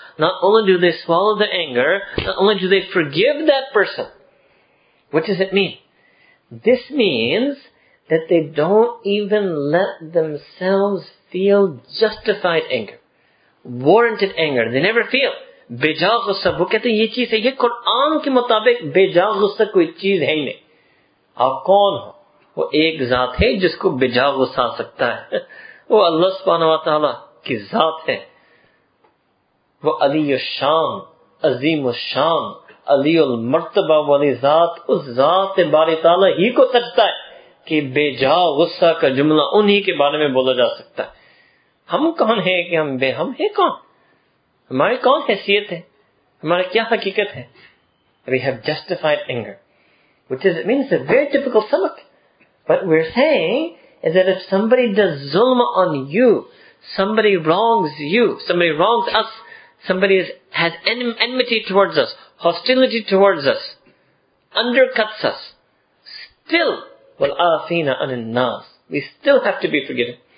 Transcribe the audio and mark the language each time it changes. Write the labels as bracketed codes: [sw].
[en] Not only do they swallow the anger, not only do they forgive that person. What does it mean? This means that they don't even let themselves feel justified anger, warranted anger. They never feel. [ur] بے جا غصہ, وہ کہتے ہیں یہ چیز ہے, یہ قرآن کے مطابق بے جا غصہ کوئی چیز ہے ہی نہیں. آپ کون ہو؟ وہ ایک ذات ہے جس کو بے جا غصہ آ سکتا ہے. وہ اللہ سبحانہ و تعالی کی ذات ہے. وہ علی الشان, عظیم الشان, علی المرتبہ والی ذات, اس ذات باری تعالی ہی کو سجتا ہے کہ بے جا غصہ کا جملہ انہی کے بارے میں بولا جا سکتا ہے. ہم کون ہیں کہ ہم بے, ہم ہیں کون, ہماری کون حیثیت ہے, ہمارا کیا حقیقت ہے؟ [en] We have justified anger, which is, it means a very typical sabak. But we're saying is that if somebody does zulm on you, somebody wrongs you, somebody wrongs us, somebody has enmity towards us, hostility towards us, undercuts us, still, [ar] وَالْعَافِينَ عَنِ النَّاسِ, [en] we still have to be forgiven.